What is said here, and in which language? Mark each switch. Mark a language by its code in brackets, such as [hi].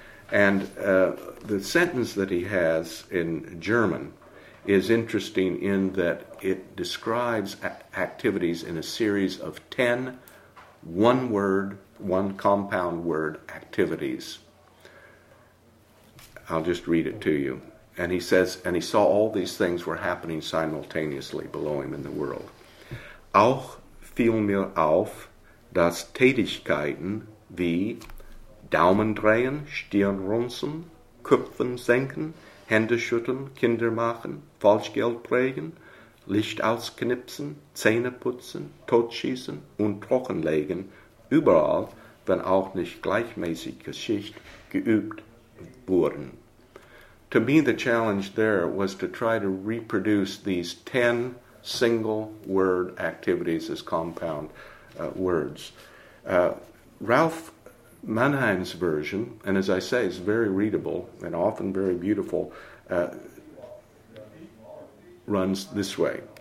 [en] And the sentence that he has in German is interesting in that it describes activities in a series of 10 one-word, one-compound-word activities. I'll just read it to you. And he says, and he saw all these things were happening simultaneously below him in the world. [de] Auch fiel mir auf, dass Tätigkeiten wie Daumen drehen, Stirn runzeln, Köpfen senken, Hände schütteln, Kinder machen, Falschgeld prägen, Licht ausknipsen, Zähne putzen, totschießen und trockenlegen, überall, wenn auch nicht gleichmäßig geschicht, geübt wurden. [en] To me, the challenge there was to try to reproduce these 10 single word activities as compound words. Ralph Mannheim's version, and as I say, is very readable and often very beautiful, runs this way.